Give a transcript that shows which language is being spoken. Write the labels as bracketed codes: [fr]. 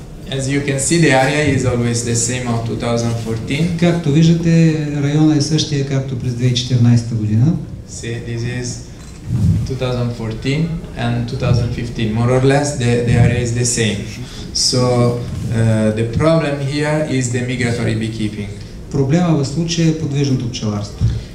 [en] As you can see, the area is always the same of 2014. [bg] Както виждате, района е същия както през 2014 година. [en] See, this is 2014 and 2015. More or less, the area is the same. So the problem here is the migratory beekeeping. [bg] Проблема в случая е подвижното пчеларство.